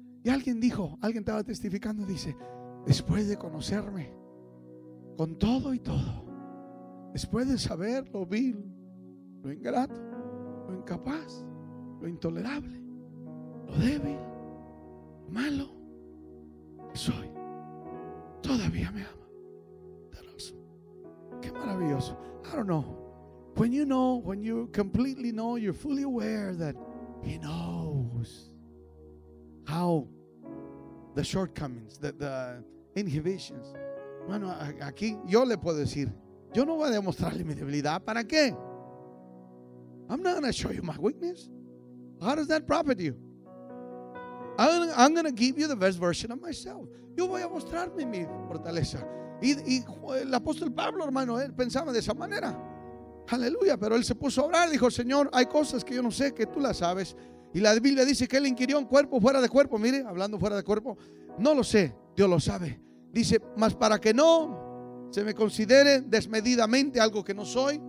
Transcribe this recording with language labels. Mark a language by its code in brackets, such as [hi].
[es] Y alguien dijo, alguien estaba testificando, dice: después de conocerme con todo y todo, después de saber lo vil, lo ingrato, lo incapaz, lo intolerable, lo débil, lo malo que soy, todavía me ama. Qué maravilloso. [en] I don't know. When you know, when you completely know, you're fully aware that He knows how the shortcomings, the inhibitions. [es] Bueno, aquí yo le puedo decir, yo no voy a demostrarle mi debilidad. ¿Para qué? [en] I'm not going to show you my weakness. How does that profit you? I'm going to give you the best version of myself. [es] Yo voy a mostrarme mi fortaleza. Y el apóstol Pablo, hermano, él pensaba de esa manera. Aleluya. Pero él se puso a orar. Dijo: Señor, hay cosas que yo no sé, que tú las sabes. Y la Biblia dice que él inquirió un cuerpo fuera de cuerpo. Mire, hablando fuera de cuerpo, no lo sé. Dios lo sabe. Dice, mas para que no se me considere desmedidamente algo que no soy.